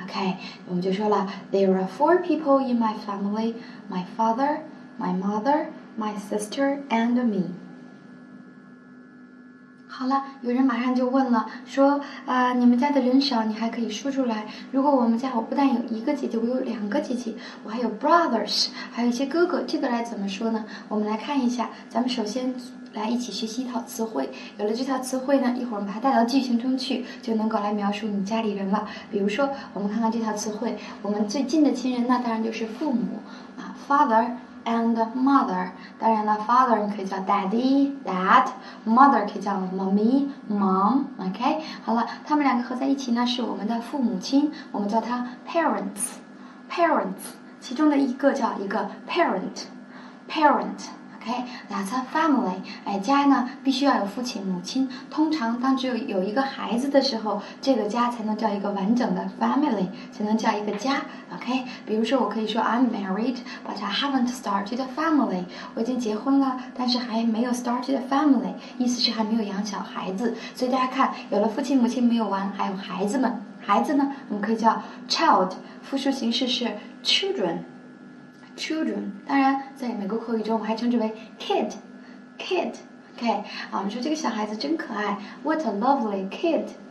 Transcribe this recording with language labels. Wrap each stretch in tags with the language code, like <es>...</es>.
<en>Okay,</en> <zh>我们就说了</zh> <en>There are four people in my family. My father, my mother, my sister and me.</en> <zh>好了，有人马上就问了，说你们家的人少，你还可以说出来。如果我们家我不但有一个姐姐，我有两个姐姐，我还有 brothers， 还有一些哥哥，这个来怎么说呢？我们来看一下，咱们首先来一起学习一套词汇。有了这套词汇呢，一会儿我们把它带到句型中去，就能够来描述你家里人了。比如说，我们看看这套词汇，我们最近的亲人呢，当然就是父母啊 ，father。</zh> <en>And mother,</en> <zh>当然了</zh> <en>，father</en> <zh>你可以叫</zh> <en>daddy, dad, mother</en> <zh>可以叫</zh> <en>mommy, mom, OK?</en> <zh>好了，他们两个合在一起呢，是我们的父母亲，我们叫他 parents, parents, 其中的一个叫一个 parent, parent.</zh> <en>Okay, that's a family.</en> <zh>家呢必须要有父亲母亲，通常当只有一个孩子的时候，这个家才能叫一个完整的 family， 才能叫一个家。</zh> <en>Okay,</en> <zh>比如说我可以说</zh> <en>I'm married, but I haven't started a family.</en> <zh>我已经结婚了，但是还没有</zh> <en>started a family，</en> <zh>意思是还没有养小孩子。所以大家看，有了父亲母亲没有完，还有孩子们。孩子呢，我们可以叫 child， 复数形式是 children。 Children， 当然，在美国口语中，我还称之为 kid。 OK， 啊，我们说这个小孩子真可爱 ，</zh> <en>What a lovely kid！</en>